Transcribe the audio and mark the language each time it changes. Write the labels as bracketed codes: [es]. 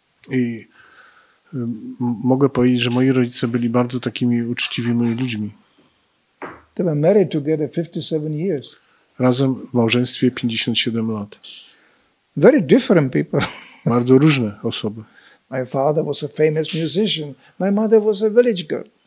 [pl] I mogę powiedzieć, że moi rodzice byli bardzo takimi uczciwymi ludźmi. [en] They were married together 57 years. [pl] Razem w małżeństwie 57 lat. [en] Very different people. [pl] Bardzo różne osoby. [en] My father was a famous musician. My mother was a village girl.